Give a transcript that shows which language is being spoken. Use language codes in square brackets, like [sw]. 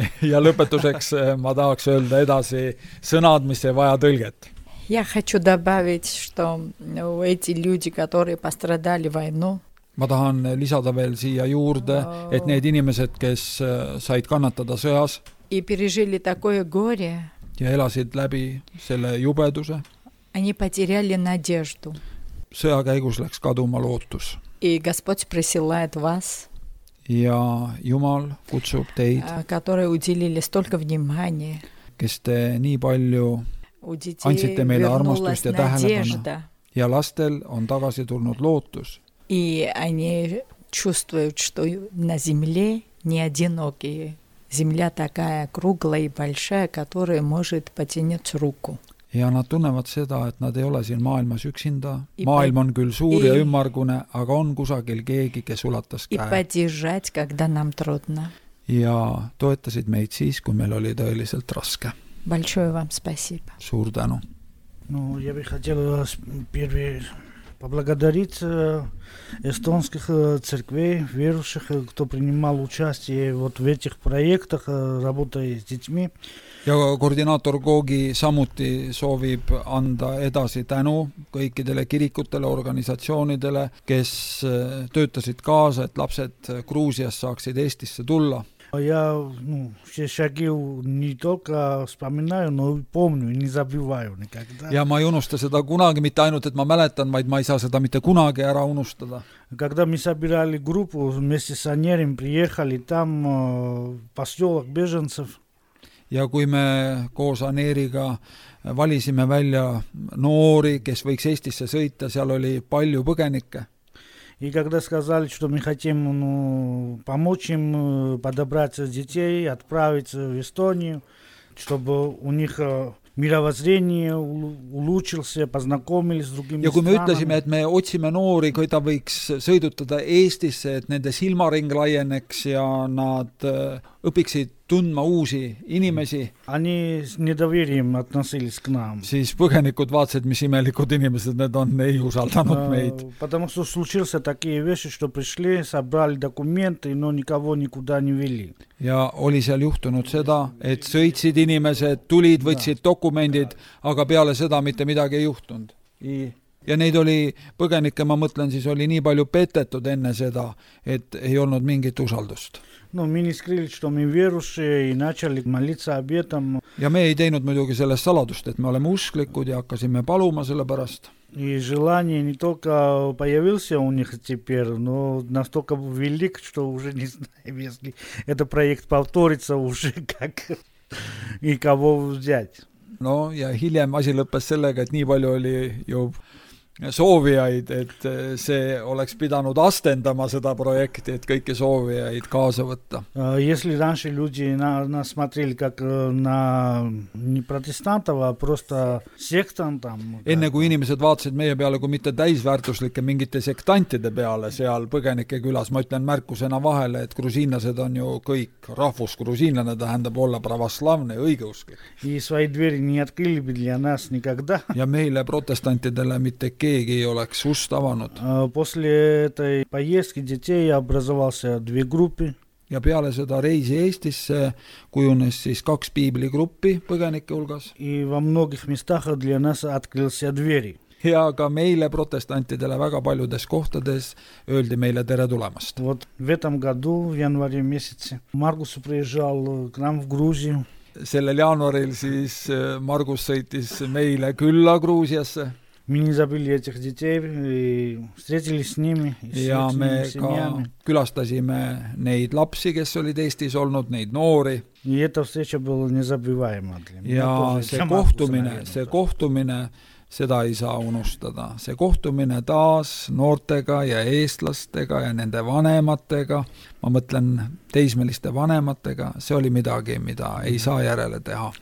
[et] Ja lõpetuseks ma tahaks öelda edasi sõnad, mis ei vaja tõlget. [ru] Я хочу добавить, что эти люди, которые пострадали войну, [et] Ma tahan lisada veel siia juurde, et need inimesed, kes said kannatada sõjas [ru] и пережили такое горе. [et] Ja elasid läbi selle jubeduse. [ru] Они потеряли надежду. [et] Sõjakäigus läks kaduma lootus. [ru] И Господь присылает вас. [et] Ja Jumal kutsub teid. [ru] Которые уделили столько внимания. [et] Kes te nii palju andsite meile armastust ja tähelepanu. Ja lastel on tagasi tulnud lootus. [ru] И они чувствуют, что на земле не одинокие. Земля такая круглая и большая, которая может потянуть руку. [et] Ja nad tunnevad seda, et nad ei ole siin maailmas üksinda. Maailm on küll suur ja ümmargune, aga on kusagil keegi, kes ulatas käe. [ru] И поддержать, когда нам трудно. [et] Ja toetasid meid siis, kui meil oli tõeliselt raske. [ru] Большое вам спасибо. [et] Suur tänu. [ru] Ну, я бы хотел вас первый поблагодарить эстонских церквей, верующих, кто принимал участие вот в этих проектах, работая с детьми. [et] Ja koordinaator Koogi samuti soovib anda edasi tänu kõikidele kirikutele, organisatsioonidele, kes töötasid kaasa, et lapsed Gruusias saaksid Eestisse tulla. [ru] Я, ну, все шаги не только вспоминаю, но и помню, не забываю никогда. [et] Ja ma ei unusta seda kunagi, mitte ainult, et ma mäletan, vaid ma ei saa seda mitte kunagi ära unustada. [ru] Когда мы собирали группу, вместе с Анерим приехали, там поселок беженцев. [et] Ja kui me koos Aneriga valisime välja noori, kes võiks Eestisse sõita, seal oli palju põgenike. [ru] И когда сказали, что мы хотим ну, помочь им подобраться детей, отправиться в Эстонию, чтобы у них мировоззрение улучшилось, познакомились с другими странами. [et] Ja kui me ütlesime, et me otsime noori, kui ta võiks sõidutada Eestisse, et nende silmaring laieneks ja nad õpiksid tundma uusi inimesi. [ru] Они с недоверием относились к нам. [et] Siis põgenikud vaatsed, mis imelikud inimesed need on, ei usaldanud meid. [ru] Потому что случился такие вещи, что пришли, собрали документы, но никого никуда не вели. [et] Ja oli seal juhtunud seda, et sõitsid inimesed, tulid, võtsid dokumendid, aga peale seda mitte midagi ei juhtunud. Ja neid oli põgenike, ma mõtlen, siis oli nii palju petetud enne seda, et ei olnud mingit usaldust. [ru] Ну, мы не скрыли, что мы верующие и начали молиться об этом. [et] Ja me ei teinud muidugi sellest saladust, et me oleme usklikud ja hakkasime paluma selle pärast. [ru] И желание не только появился у них теперь, но настолько велик, что уже не знаю, если этот проект повторится уже как и кого взять. [et] No ja hiljem asi lõppes sellega, et nii palju oli ju soovijaid, et see oleks pidanud astendama seda projekti, et kõike soovijaid kaasa võtta. [ru] Если раньше люди нас смотрели как на не протестантов, а просто сектантов. [et] Enne kui inimesed vaatsid meie peale kui mitte täisväärtuslike mingite sektantide peale seal põgenike külas, ma ütlen märkusena vahele, et grusiinlased on ju kõik rahvusgrusiinlane, tähendab olla pravoslavne õigeusklik. [ru] И свои двери не открыли бы для нас никогда. [et] Ja meile protestantidele mitte keegi ei oleks ust avanud. [ru] После этой поездки детей образовался две группы. [et] Ja peale seda reisi Eestisse kujunes siis kaks piibligruppi põgenike hulgas. [ru] И во многих местах для нас открылся двери. [et] Ja ka meile protestantidele väga paljudes kohtades öeldi meile tere tulemast. [ru] Вот в этом году, в январе месяце, Маргус приезжал к нам в Грузию. [et] Sellel jaanuaril siis Margus sõitis meile külla Gruusiasse. [ru] Мы не забыли этих детей и встретились с ними. [et] Ja me ka külastasime neid lapsi, kes olid Eestis olnud, neid noori. [ru] И эта встреча была незабываема. [et] Ja see kohtumine, seda ei saa unustada. See kohtumine taas noortega ja eestlastega ja nende vanematega, ma mõtlen teismeliste vanematega, see oli midagi, mida ei saa järele teha.